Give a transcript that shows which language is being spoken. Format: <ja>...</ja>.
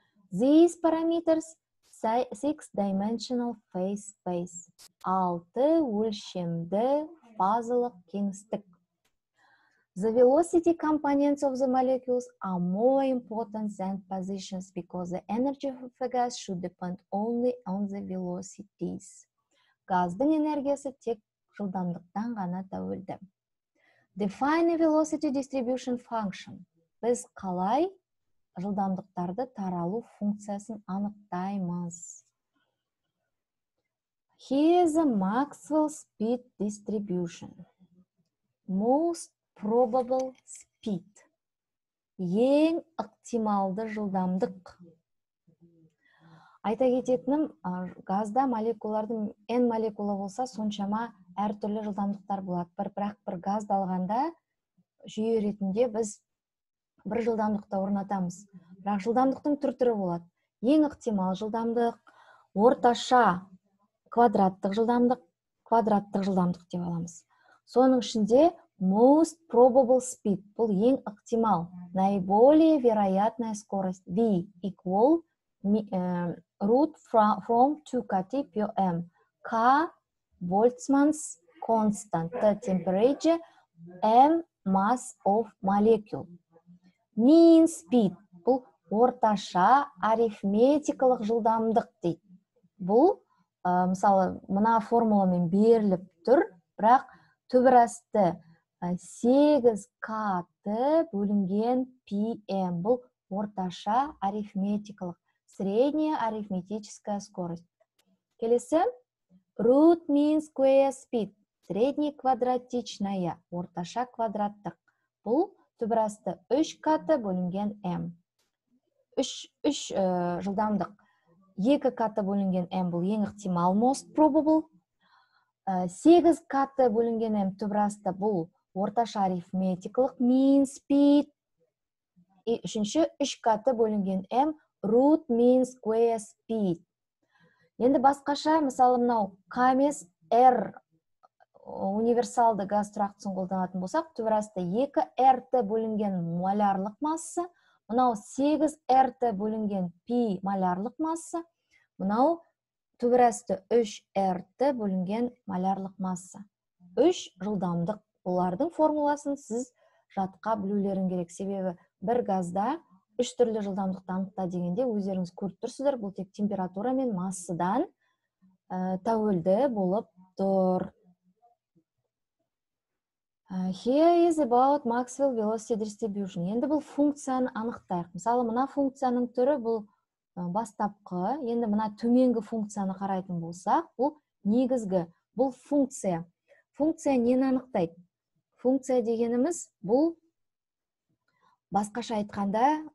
<en>These parameters, six-dimensional phase space,</en> <kk>алты өлшемді фазалық кеңістік.</kk> <en>The velocity components of the molecules are more important than positions because the energy of a gas should depend only on the velocities.</en> <kk>Газдың энергиясы тек жылдамдықтан ғана тәуелді.</kk> <en>Define a velocity distribution function.</en> <kk>Біз қалай жылдамдықтарды таралу функциясын анықтаймыз.</kk> <en>Here is a Maxwell speed distribution. Most probable speed.</en> <kk>Ең ықтималды жылдамдық. Айта кететінім, газда молекулардың N молекула болса, соншама әртүрлі жылдамдықтар болады. Бірақ бір газды алғанда, жүйе ретінде біз бір жылдамдықта орнатамыз. Бірақ жылдамдықтың түр-түрі болады. Ең ықтимал жылдамдық, орташа квадраттық жылдамдық деп аламыз. Соның ішінде</kk> <en>most probable speed,</en> <kk>бұл ең ықтимал,</kk> <ru>наиболее вероятная скорость,</ru> <en>v equal root from 2kT per m, k Boltzmann's constant, the temperature, m mass of molecule. Mean speed,</en> <kk>бұл орташа арифметикалық жылдамдық дейді. Бұл, мысалы, мына формуламен беріліп тұр, бірақ түбірасты 8K-ты бөлінген PM. Бұл орташа арифметикалық,</kk> <ru>средняя арифметическая скорость.</ru> <en>Келесі, root mean square speed,</en> <ru>средняя квадратичная,</ru> <kk>орташа квадраттық. Бұл түбірасты 3K-ты бөлінген M. 3 жылдамдық, 2K-ты бөлінген M бұл ең ықтимал,</kk> <en>most probable.</en> <kk>8K-ты бөлінген M түбірасты бұл орташа арифметикалық</kk> <en>mean speed.</en> <kk>И үшінші 3K-ты бөлінген M</kk> <en>root mean square speed.</en> <kk>Енді басқаша, мысалы, мынау Камес R универсалды газ тұрақтысын қолданатын болсақ, түбірасты 2R-ты бөлінген молярлық массы, мынау 8R-ты бөлінген пи молярлық массы, мынау түбірасты 3R-ты бөлінген молярлық массы. 3 жылдамдық. Олардың формуласын сіз жатқа білулерің керек. Себебі бір газда 3 түрлі жылдамдықта анықта дегенде өздеріңіз көріп тұрсыздар, бұл тек температура мен массыдан тәуелді болып тұр.</kk> <en>Here is about Maxwell velocity distribution.</en> <kk>Енді бұл функцияны анықтайық. Мысалы, мына функцияның түрі бұл бастапқы. Енді мына төменгі функцияны қарайтын болсақ, бұл негізгі, бұл функция. Функция нені анықтайды? Функция дегеніміз бұл, басқаша айтқанда,</kk>